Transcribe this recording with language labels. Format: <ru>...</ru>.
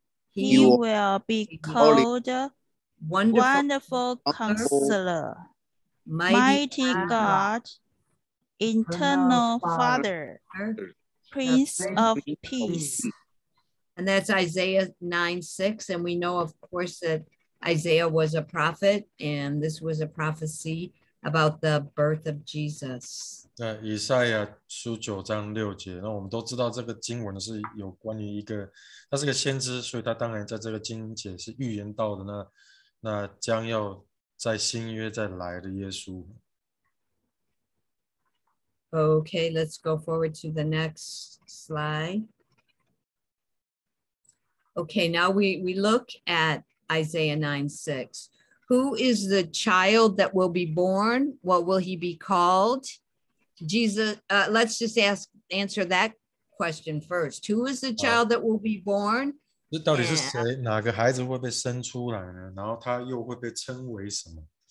<en>He will be called Wonderful Counselor, Mighty God, Eternal Father, Prince of Peace. And that's Isaiah 9:6. And we know, of course, that Isaiah was a prophet, and this was a prophecy about the birth of Jesus.</en> <zh>以赛亚书九章六节，那我们都知道这个经文是有关于一个，他是个先知，所以他当然在这个经节是预言到的那将要在新约再来的耶稣。</zh> <en>Okay, let's go forward to the next slide. Okay, now we look at Isaiah 9:6. Who is the child that will be born? What will he be called? Jesus, let's just answer that question first. Who is the child that will be born?</en> <zh>这到底是谁？哪个孩子会被生出来呢？然后他又会被称为什么？</zh>